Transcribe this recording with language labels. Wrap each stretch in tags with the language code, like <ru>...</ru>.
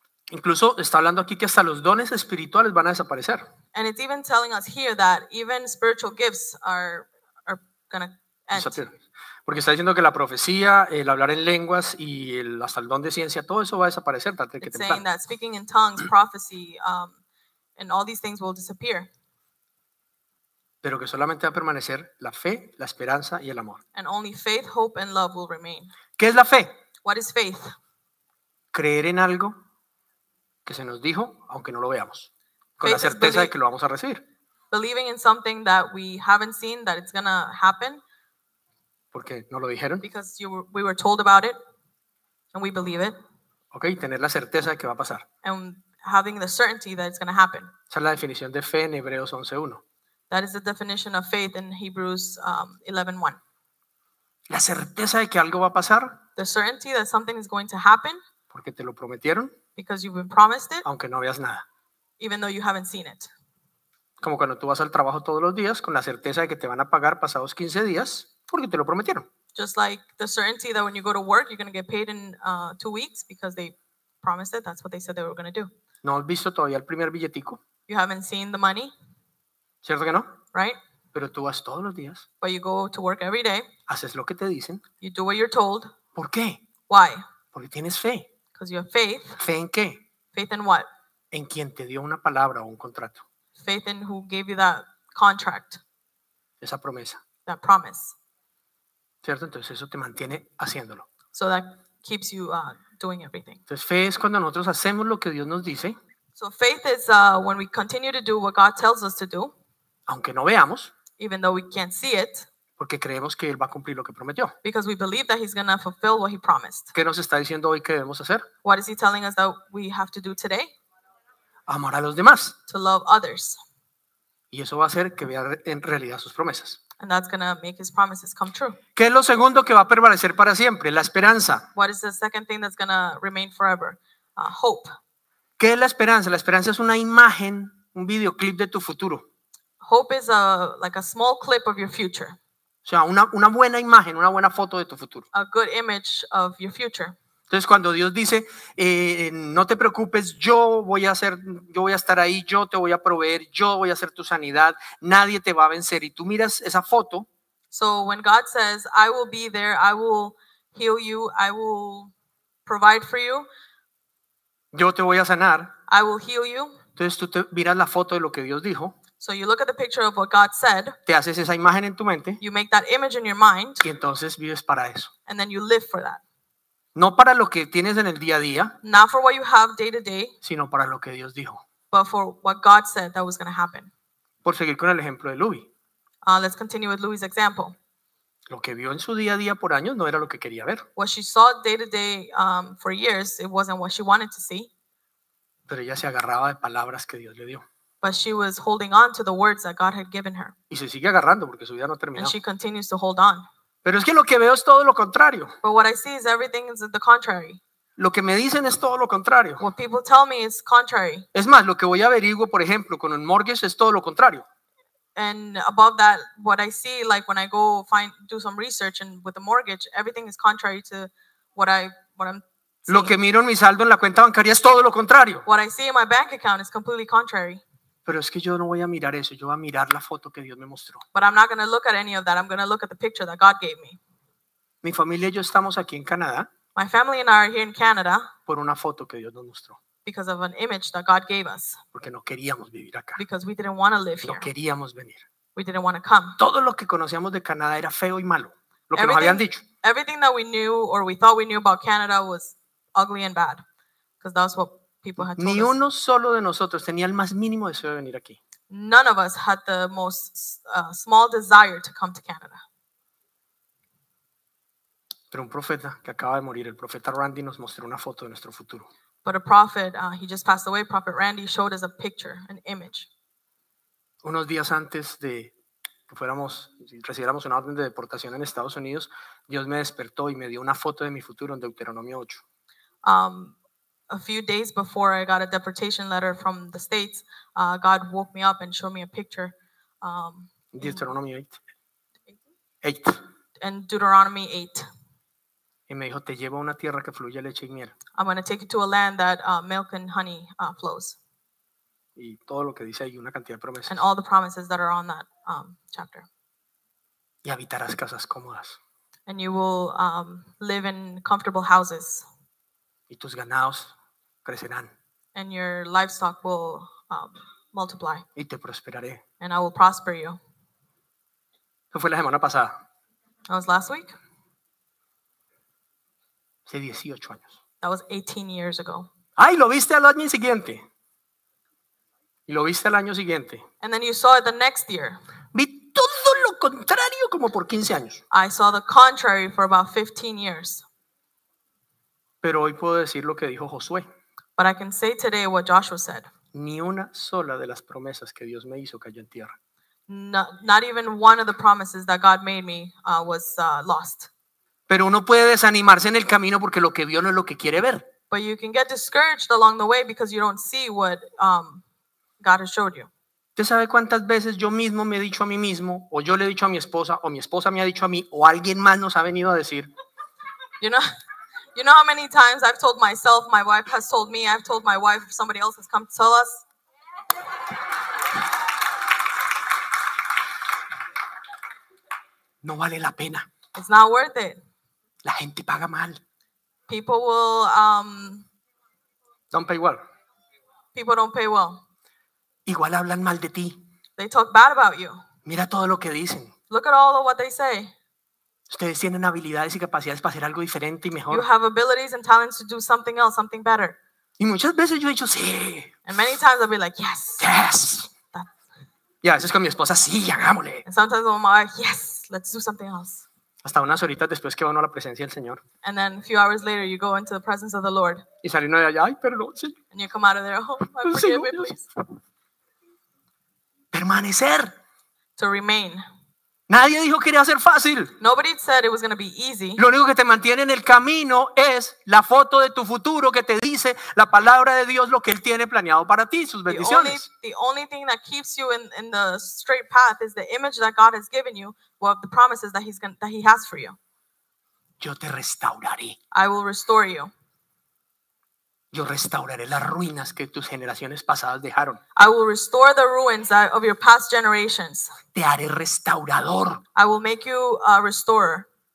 <es>Incluso está hablando aquí que hasta los dones espirituales van a desaparecer.</es> <en>And it's even telling us here that even spiritual gifts are going to end. Exacto.</en> <es>Porque está diciendo que la profecía, el hablar en lenguas y hasta el don de ciencia, todo eso va a desaparecer.</es> <en>It's saying that speaking in tongues, prophecy, and all these things will disappear.</en> <es>Pero que solamente va a permanecer la fe, la esperanza y el amor.</es> <en>And only faith, hope, and love will remain.</en> <es>¿Qué es la fe?</es> <en>What is faith?</en> <es>Creer en algo que se nos dijo, aunque no lo veamos. Con la certeza de que lo vamos a recibir.</es> <en>Believing in something that we haven't seen, that it's going to happen.</en> <es>Porque no lo dijeron.</es> <en>Because we were told about it, and we believe it.</en> <es>Okay, tener la certeza de que va a pasar.</es> <en>And having the certainty that it's going to happen.</en> <es>Esa es la definición de fe en Hebreos 11:1.</es> <en>That is the definition of faith in Hebrews 11:1.</en> <es>La certeza de que algo va a pasar.</es> <en>The certainty that something is going to happen.</en> <es>Porque te lo prometieron.</es> <en>Because you've been promised it.</en> <es>Aunque no veas nada.</es> <en>Even though you haven't seen it.</en> <es>Como cuando tú vas al trabajo todos los días con la certeza de que te van a pagar pasados 15 días porque te lo prometieron.</es> <en>Just like the certainty that when you go to work you're going to get paid in 2 weeks because they promised it. That's what they said they were going to do.</en> <es>¿No has visto todavía el primer billetico?</es> <en>You haven't seen the money.</en> <es>¿Cierto que no?</es> <en>Right?</en> <es>Pero tú vas todos los días.</es> <en>But you go to work every day.</en> <es>Haces lo que te dicen.</es> <en>You do what you're told.</en> <es>¿Por qué?</es> <en>Why?</en> <es>Porque tienes fe.</es> <en>Because you have faith.</en> <es>¿Fe en qué?</es> <en>Faith in what?</en> <es>En quien te dio una palabra o un contrato.</es> <en>Faith in who gave you that contract.</en> <es>Esa promesa.</es> <en>That promise.</en> <es>¿Cierto? Entonces eso te mantiene haciéndolo.</es> <en>So that keeps you doing everything.</en> <es>Entonces fe es cuando nosotros hacemos lo que Dios nos dice.</es> <en>So faith is when we continue to do what God tells us to do.</en> <es>Aunque no veamos.</es> <en>Even though we can't see it.</en> <es>Porque creemos que Él va a cumplir lo que prometió.</es> <en>Because we believe that He's going to fulfill what He promised.</en> <es>¿Qué nos está diciendo hoy que debemos hacer?</es> <en>What is He telling us that we have to do today?</en> <es>Amar a los demás.</es> <en>To love others.</en> <es>Y eso va a hacer que vea en realidad sus promesas.</es> <en>And that's going to make His promises come true.</en> <es>¿Qué es lo segundo que va a permanecer para siempre? La esperanza.</es> <en>What is the second thing that's going to remain forever? Hope.</en> <es>¿Qué es la esperanza? La esperanza es una imagen, un videoclip de tu futuro.</es> <en>Hope is like a small clip of your future.</en> <es>O sea, una buena imagen, una buena foto de tu futuro.</es> <en>A good image of your future.</en> <es>Entonces, cuando Dios dice, no te preocupes, yo voy a estar ahí, yo te voy a proveer, yo voy a hacer tu sanidad, nadie te va a vencer. Y tú miras esa foto.</es> <en>So, when God says, I will be there, I will heal you, I will provide for you.</en> <es>Yo te voy a sanar.</es> <en>I will heal you.</en> <es>Entonces, tú te miras la foto de lo que Dios dijo.</es> <en>So you look at the picture of what God said.</en> <es>Te haces esa imagen en tu mente.</es> <en>You make that image in your mind.</en> <es>Y entonces vives para eso.</es> <en>And then you live for that.</en> <es>No para lo que tienes en el día a día.</es> <en>Not for what you have day to day.</en> <es>Sino para lo que Dios dijo.</es> <en>But for what God said that was going to happen.</en> <es>Por seguir con el ejemplo de Louis.</es> <en>Let's continue with Louis's example.</en> <es>Lo que vio en su día a día por años no era lo que quería ver.</es> <en>What she saw day to day for years, it wasn't what she wanted to see.</en> <es>Pero ella se agarraba de palabras que Dios le dio.</es> <en>But she was holding on to the words that God had given her.</en> <es>Y se sigue agarrando porque su vida no ha terminado.</es> <en>And she continues to hold on.</en> <es>Pero es que lo que veo es todo lo contrario.</es> <en>But what I see is everything is the contrary.</en> <es>Lo que me dicen es todo lo contrario.</es> <en>What people tell me is contrary.</en> <es>Es más, lo que voy a averiguar, por ejemplo, con el mortgage es todo lo contrario.</es> <en>And above that, what I see, like when I go find do some research and with the mortgage, everything is contrary to what I'm seeing.</en> <es>Lo que miro en mi saldo en la cuenta bancaria es todo lo contrario.</es> <en>What I see in my bank account is completely contrary.</en> <es>Pero es que yo no voy a mirar eso, yo voy a mirar la foto que Dios me mostró.</es> <en>But I'm not going to look at any of that, I'm going to look at the picture that God gave me.</en> <es>Mi familia y yo estamos aquí en Canadá.</es> <en>My family and I are here in Canada.</en> <es>Por una foto que Dios nos mostró.</es> <en>Because of an image that God gave us.</en> <es>Porque no queríamos vivir acá.</es> <en>Because we didn't want to live</en> <es>no</es> <en>here.</en> <es>No queríamos venir.</es> <en>We didn't want to come.</en> <es>Todo lo que conocíamos de Canadá era feo y malo, lo que nos habían dicho.</es> <en>Everything that we knew or we thought we knew about Canada was ugly and bad. Because that's what people had told</en> <es>ni uno solo de nosotros tenía el más mínimo deseo de venir aquí.</es> <en>None of us had the most small desire to come to Canada.</en> <es>Pero un profeta que acaba de morir, el profeta Randy, nos mostró una foto de nuestro futuro.</es> <en>But a prophet, he just passed away. Prophet Randy showed us a picture, an image.</en> <es>Unos días antes de que recibiéramos una orden de deportación en Estados Unidos, Dios me despertó y me dio una foto de mi futuro en Deuteronomio 8.</es> <en>A few days before I got a deportation letter from the States, God woke me up and showed me a picture. Deuteronomy 8. And Deuteronomy 8.</en> <es>Y me dijo, te llevo a una tierra que fluye leche y miel.</es> <en>I'm going to take you to a land that milk and honey flows.</en> <es>Y todo lo que dice ahí, una cantidad de promesas.</es> <en>And all the promises that are on that chapter.</en> <es>Y habitarás casas cómodas.</es> <en>And you will live in comfortable houses.</en> <es>Y tus ganados crecerán.</es> <en>And your livestock will multiply.</en> <es>Y te prosperaré.</es> <en>And I will prosper you.</en> <es>Eso fue la semana pasada.</es> <en>That was last week.</en> <es>Hace 18 años.</es> <en>That was 18 years ago.</en> <es>Ay, lo viste al año siguiente. Y lo viste al año siguiente.</es> <en>And then you saw it the next year.</en> <es>Vi todo lo contrario como por 15 años.</es> <en>I saw the contrary for about 15 years.</en> <es>Pero hoy puedo decir lo que dijo Josué.</es> <en>But I can say today what Joshua said.</en> <es>Ni una sola de las promesas que Dios me hizo cayó en tierra.</es> <en>Not even one of the promises that God made me was lost.</en> <es>Pero uno puede desanimarse en el camino porque lo que vio no es lo que quiere ver.</es> <en>But you can get discouraged along the way because you don't see what God has showed you.</en> <es>¿Usted sabe cuántas veces yo mismo me he dicho a mí mismo, o yo le he dicho a mi esposa, o mi esposa me ha dicho a mí, o alguien más nos ha venido a decir?</es> <en>You know how many times I've told myself, my wife has told me, I've told my wife, somebody else has come to tell us.</en> <es>No vale la pena.</es> <en>It's not worth it.</en> <es>La gente paga mal.</es> <en>People will don't pay well. People don't pay well.</en> <es>Igual hablan mal de ti.</es> <en>They talk bad about you.</en> <es>Mira todo lo que dicen.</es> <en>Look at all of what they say.</en> <es>Ustedes tienen habilidades y capacidades para hacer algo diferente y mejor.</es> <en>You have abilities and talents to do something else, something better.</en> <es>Y muchas veces yo he dicho sí.</es> <en>And many times I'll be like yes. Yes.</en> <es>Y a veces con mi esposa sí, hagámosle.</es> <en>And sometimes with my wife, yes, let's do something else.</en> <es>Hasta unas horitas después que va uno a la presencia del Señor.</es> <en>And then a few hours later you go into the presence of the Lord.</en> <es>Y sale uno de allá, ay, perdón, sí.</es> <en>And you come out of there, oh, my forgive me, please.</en> <es>Permanecer.</es> <en>To remain.</en> <es>Nadie dijo que iba a ser fácil.</es> <en>Nobody said it was going to be easy.</en> <es>Lo único que te mantiene en el camino es la foto de tu futuro que te dice la palabra de Dios lo que él tiene planeado para ti, sus bendiciones.</es> <en>The only thing that keeps you in the straight path is the image that God has given you of the promises that he has for you.</en> <es>Yo te restauraré.</es> <en>I will restore you.</en> <es>Yo restauraré las ruinas que tus generaciones pasadas dejaron.</es> <en>I will restore the ruins of your past generations.</en> <es>Te haré restaurador.</es> <en>I will make you a restorer.</en>